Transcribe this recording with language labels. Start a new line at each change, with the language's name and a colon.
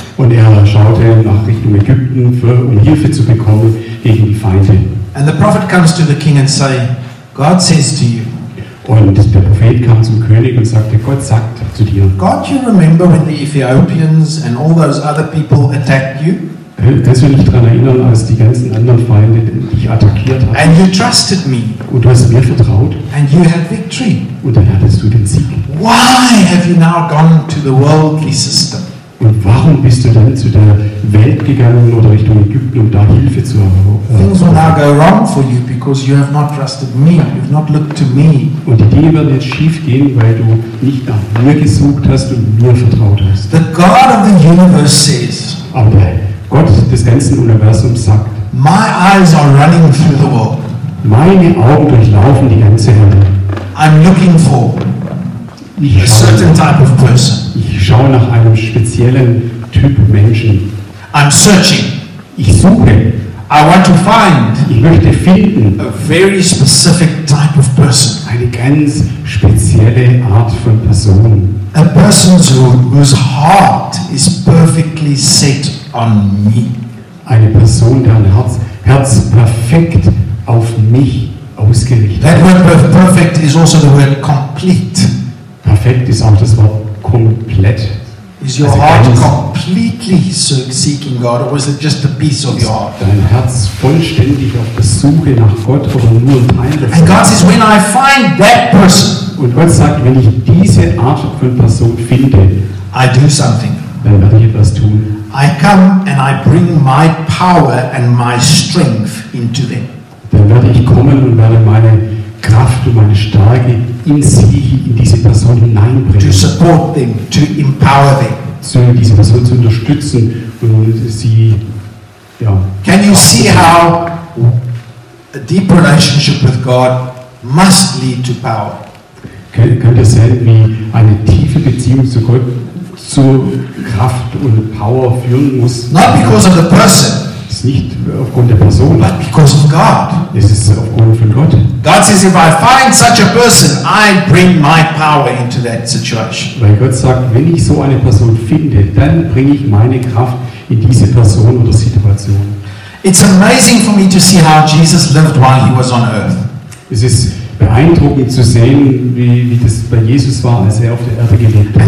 German: Und er schaute nach Richtung Ägypten, um Hilfe zu bekommen gegen die Feinde.
English: And the prophet comes to the king and say, God says to you.
German: Und der Prophet kam zum König und sagte, Gott sagt zu dir.
English: God, you remember when the Ethiopians and all those other people attacked you?
German: Kannst du dich daran erinnern, als die ganzen anderen Feinde dich attackiert haben?
English: And you trusted me.
German: Und du hast mir vertraut.
English: And you had victory.
German: Und dann hattest du den Sieg.
English: Why have you now gone to the worldly system?
German: Und warum bist du dann zu der Welt gegangen oder Richtung Ägypten, um da Hilfe zu erhalten?
English: Things will now go wrong for you because you have not trusted me. You've not looked to me.
German: Und die Dinge werden jetzt schief gehen, weil du nicht nach mir gesucht hast und mir vertraut hast.
English: The God of the universe says.
German: Aber Gott des ganzen Universums sagt.
English: My eyes are running through the world.
German: Meine Augen durchlaufen die ganze Welt.
English: I'm looking for a certain type of person.
German: Ich schaue nach einem speziellen Typ Menschen.
English: I'm searching.
German: Ich suche.
English: I want to find.
German: Ich möchte finden.
English: A very specific type of person.
German: Eine ganz spezielle Art von Person.
English: A person whose heart is perfectly set on me.
German: Eine Person, deren Herz perfekt auf mich ausgerichtet.
English: That word perfect is also the word complete.
German: Perfekt ist auch das Wort komplett.
English: Is your heart completely seeking God, or is it just a piece of your heart?
German: Dein Herz vollständig auf der Suche nach Gott oder nur ein Teil davon?
English: And God says, when I find that person,
German: und Gott sagt, wenn ich diese Art von Person finde,
English: I do something.
German: Dann werde ich etwas tun.
English: I come and I bring my power and my strength into them.
German: Dann werde ich kommen und werde meine Kraft und meine Stärke in sie, in diese Person hineinbringen.
English: To support them, to empower them.
German: So diese Person zu unterstützen und sie, ja.
English: Can you see how a deep relationship with God must lead to power?
German: Könnt ihr sehen, wie eine tiefe Beziehung zu Gott zu Kraft und Power führen muss?
English: Not because of the person.
German: Es ist nicht aufgrund der Person,
English: but because of God.
German: Es ist aufgrund von Gott.
English: God says, if I find such a person, I bring my power into that situation.
German: Weil Gott sagt, wenn ich so eine Person finde, dann bringe ich meine Kraft in diese Person oder Situation.
English: It's amazing for me to see how Jesus lived while he was on earth.
German: Es ist beeindruckend zu sehen, wie das bei Jesus war, als er auf der Erde gelebt hat.